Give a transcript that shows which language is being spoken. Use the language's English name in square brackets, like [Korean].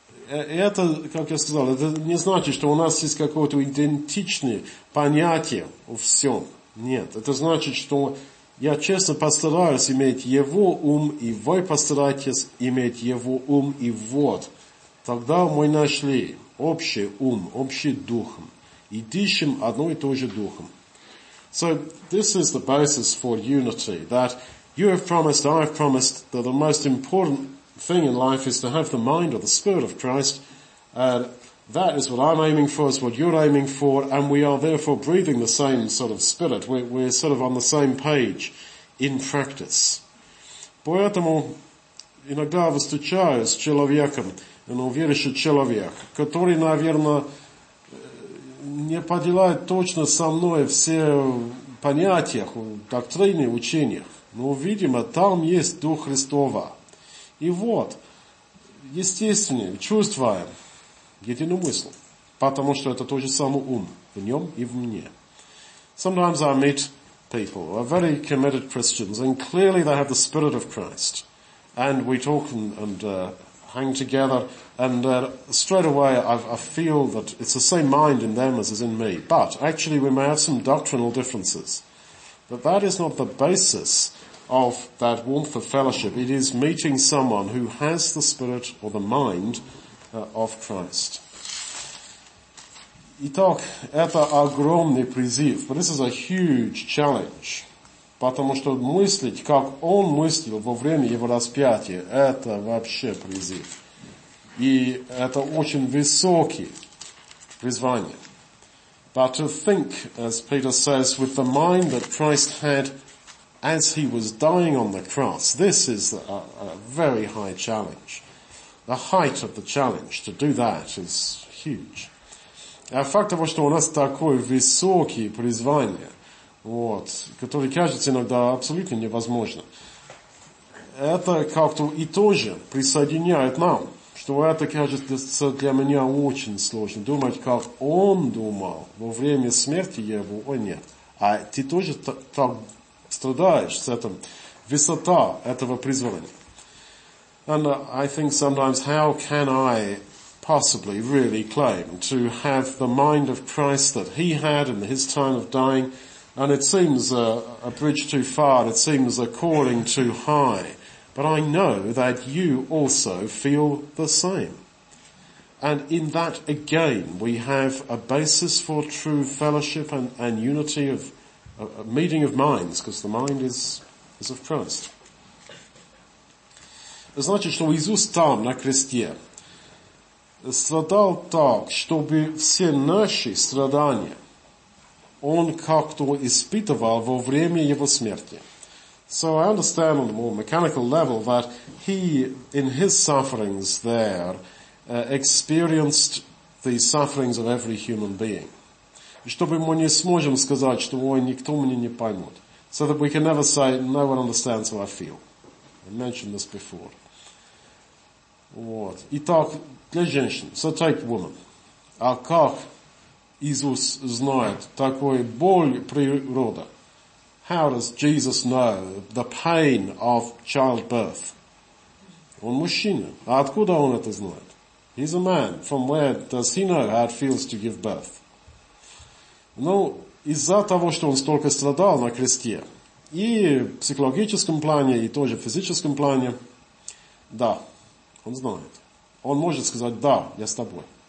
[Russian] Это, как я сказал, это не значит, что у нас есть какое-то идентичное понятие о всем. Нет, это значит, что я честно постараюсь иметь его ум, и вы постараетесь иметь его ум, и вот. Тогда мы нашли общий ум, общий дух, и дышим одно и то же духом. [English] So, this is the basis for unity, that you have promised, I have promised, that the most important thing in life is to have the mind or the spirit of Christ. That is what I'm aiming for, is what you're aiming for, and we are therefore breathing the same sort of spirit. We're sort of on the same page in practice. [Russian] Поэтому иногда встречаюсь с человеком, верующий человек, который, наверное, не поделяет точно со мной все понятия, доктрины, учения. Но, видимо, там есть Дух Христова. И вот, естественно, чувствуем единомысль, потому что это тот же самый ум в нем и в мне. [English] Sometimes I meet people who are very committed Christians, and clearly they have the Spirit of Christ. And we talk and hang together, and straight away I feel that it's the same mind in them as is in me. But actually we may have some doctrinal differences. But that is not the basis of that warmth of fellowship. It is meeting someone who has the spirit or the mind of Christ. [Russian] Итак, это огромный призыв, [English] but this is a huge challenge, [Russian] потому что мыслить, как он мыслил во время его распятия, это вообще призыв. И это очень высокое призвание. [English] But to think, as Peter says, with the mind that Christ had as he was dying on the cross, this is a very high challenge. The height of the challenge to do that is huge. [Russian] Факт того, что у нас такое высокое призвание, вот, которое кажется иногда абсолютно невозможно, это как-то и тоже присоединяет нам, что это кажется для меня очень сложно. Думать, как он думал во время смерти его, о нет. А ты тоже так страдаешь с этим. Высота этого призвания. [English] And I think sometimes, how can I possibly really claim to have the mind of Christ that he had in his time of dying? And it seems a bridge too far, it seems a calling too high. But I know that you also feel the same. And in that, again, we have a basis for true fellowship and unity of a meeting of minds, because the mind is of Christ. [Russian] Значит, что Иисус там, на кресте, страдал так, чтобы все наши страдания он как-то испытывал во время его смерти. [English] So I understand on a more mechanical level that he, in his sufferings there, experienced the sufferings of every human being. [Russian] Чтобы мы не сможем сказать, что ой, никто меня не поймет. [English] So that we can never say, no one understands how I feel. I mentioned this before. Вот. [Russian] Итак, для женщин. [English] So take woman. [Russian] А как Иисус знает такую боль природа? [English] How does Jesus know the pain of childbirth? [Russian] Он мужчина. А откуда он это знает? [English] He's a man. From where does he know how it feels to give birth? [Russian] Ну, из-за того, что он столько страдал на кресте. И в психологическом плане, и тоже в физическом плане. Да. Он знает. Он может сказать, да, я с тобой.